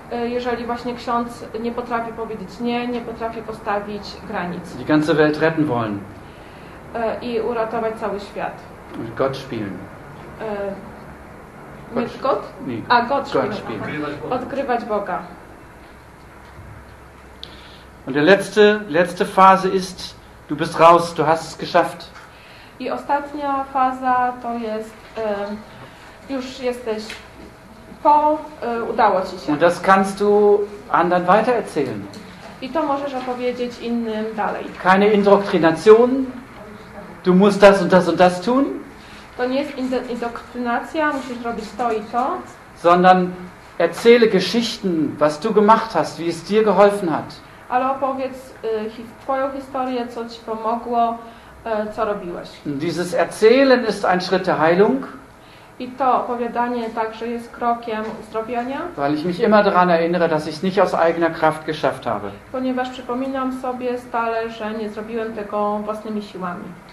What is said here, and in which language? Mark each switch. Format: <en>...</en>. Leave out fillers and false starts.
<pl>Jeżeli właśnie ksiądz nie potrafi powiedzieć nie, nie potrafi postawić granic.</pl> <de>Die ganze Welt retten wollen.</de> <pl>I uratować cały świat.</pl> <de>Gott spielen. Gott spielen.</de> <pl>Odkrywać Boga.</pl> <de>Und die letzte Phase ist, du bist raus, du hast es geschafft.</de> <pl>I ostatnia faza to jest, już jesteś po, udało ci się.</pl> <de>Und das kannst du anderen weitererzählen.</de> <pl>I to możesz opowiedzieć innym dalej.</pl> <de>Keine Indoktrination. Du musst das und das und das tun.</de> <pl>To nie jest indoktrynacja, musisz robić to i to.</pl> <de>Sondern erzähle Geschichten, was du gemacht hast, wie es dir geholfen hat.</de> <pl>Ale opowiedz twoją historię, co ci pomogło, co robiłeś.</pl> <de>Dieses Erzählen ist ein Schritt der Heilung.</de> <pl>I to opowiadanie także jest krokiem uzdrowienia.</pl> <de>Weil ich mich immer daran erinnere, dass ich es nicht aus eigener Kraft geschafft habe.</de> <pl>Ponieważ przypominam sobie stale, że nie zrobiłem tego własnymi siłami.</pl>